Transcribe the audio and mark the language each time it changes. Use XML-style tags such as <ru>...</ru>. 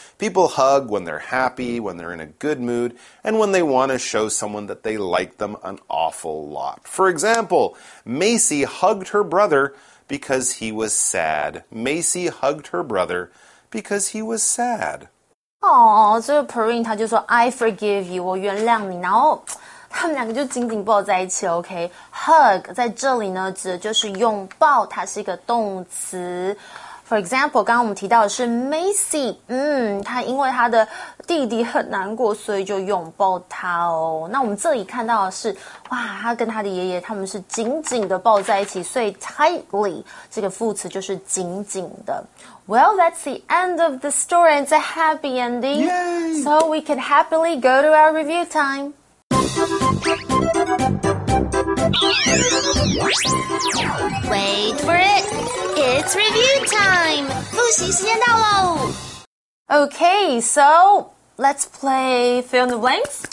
<en>People hug when they're happy, when they're in a good mood, and when they want to show someone that they like them an awful lot. For example, Macy hugged her brother because he was sad. Macy hugged her brother because he was sad. Aww, so</en> <zh>Perrine, 他就说</zh> <en>I forgive you,</en> <zh>我原谅你，然后他们两个就紧紧抱在一起 ，OK。Hug 在这里呢，指的就是拥抱，它是一个动词。</zh> <en>For example，</en> <zh>刚刚我们提到的是 Macy， 他因为他的弟弟很难过，所以就拥抱他哦。那我们这里看到的是，哇，他跟他的爷爷他们是紧紧的抱在一起，所以 tightly 这个副词就是紧紧的。</zh> <en>Well, that's the end of the story. It's a happy ending. Yay! So we can happily go to our review time. Wait for it. It's review time.</en> <zh>复习时间到喽。</zh> <en>Okay, so let's play fill in the blanks.</en>